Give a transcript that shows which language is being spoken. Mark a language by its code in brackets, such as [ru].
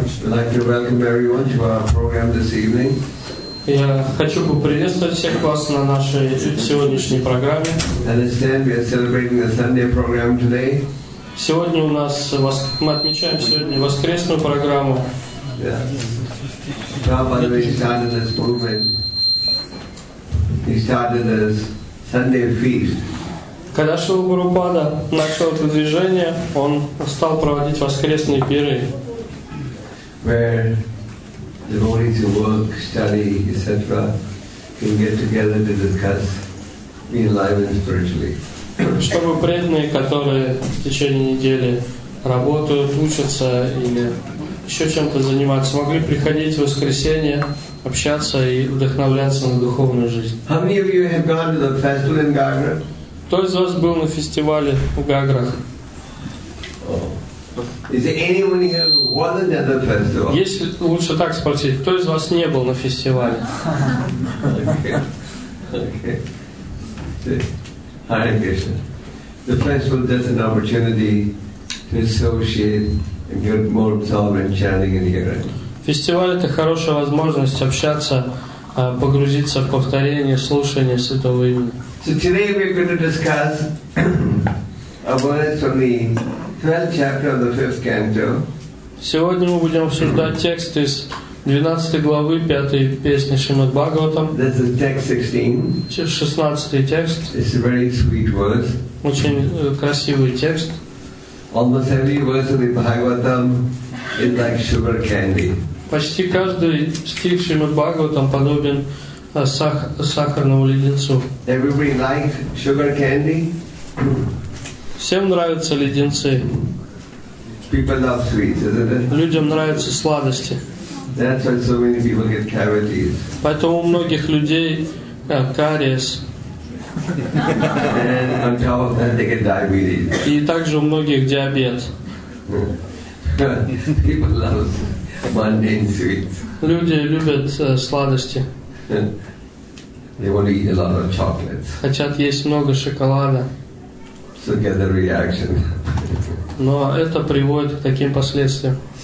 [en] I'd like to welcome everyone to our program this evening. [ru] Я хочу поприветствовать всех вас на нашей сегодняшней программе. [en] Understand, we are celebrating the Sunday program today. [ru] Сегодня у нас мы отмечаем сегодня воскресную программу. [en] Prabhupada started this movement. He started this Sunday feast. [ru] Когда Шрила Прабхупада начал это движение, он стал проводить воскресные пиры. [en] Devotees who work, study, etc., can get together to discuss, be enlivened spiritually. [ru] Чтобы преданные, которые в течение недели работают, учатся или еще чем-то заниматься, могли приходить в воскресенье, общаться и вдохновляться на духовную жизнь. [en] How many of you have gone to the festival in Gagra? [ru] Кто из вас был на фестивале в Гаграх? [en] Is there anyone here who wasn't at the festival? [ru] Если лучше так спросить, кто из вас не был на фестивале? [en] Okay. Hare Krishna. The festival is an opportunity to associate and get more absorbed in chanting and hearing. [ru] Фестиваль это хорошая возможность общаться, погрузиться в повторение, слушание святого имени. [en] So today we're going to discuss a verse from the 12th chapter of the 5th canto. [ru] Сегодня мы будем обсуждать текст из 12 главы 5 песни Шримад Бхагаватам. [en] This is text 16. [ru] 16 текст. [en] It's a very sweet verse. [ru] Очень красивый текст. [en] Almost every verse of the Bhagavatam is like sugar candy. [ru] Почти каждый стих Шримад Бхагаватам подобен сахарному леденцу. [en] Everybody likes sugar candy. [ru] Всем нравятся леденцы. [en] People love sweets, isn't it? [ru] Людям нравятся сладости. [en] That's why so many people get cavities. [ru] Поэтому у многих людей кариес. [en] And on top of that, they get diabetes. [ru] И также у многих диабет. [en] People love mundane sweets. [ru] Люди любят сладости. [en] They want to eat a lot of chocolates. [ru] Хотят есть много шоколада. [en] So get the reaction. [ru] Но это приводит к таким последствиям.